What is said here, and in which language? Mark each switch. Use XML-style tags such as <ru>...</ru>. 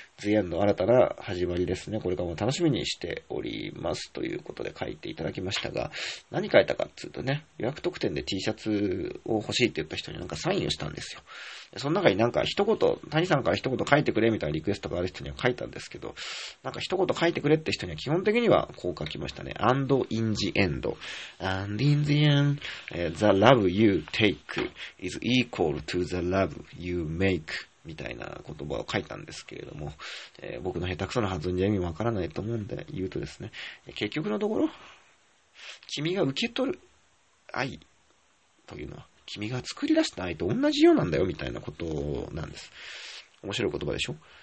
<ja>ズヤンの新たな始まりですね、これからも楽しみにしておりますということで書いていただきましたが、何書いたかっつうとね、予約特典で T シャツを欲しいって言った人になんかサインをしたんですよ。その中になんか一言、谷さんから一言書いてくれみたいなリクエストがある人には書いたんですけど、なんか一言書いてくれって人には基本的にはこう書きましたね。</ja> <en>And in the end. And in the end, the love you take is equal to the love you make.</en> <ja>みたいな言葉を書いたんですけれども、僕の下手くそな発音じゃ意味わからないと思うんで言うとですね、結局のところ、君が受け取る愛というのは、君が作り出した愛と同じようなんだよみたいなことなんです。面白い言葉でしょ。</ja>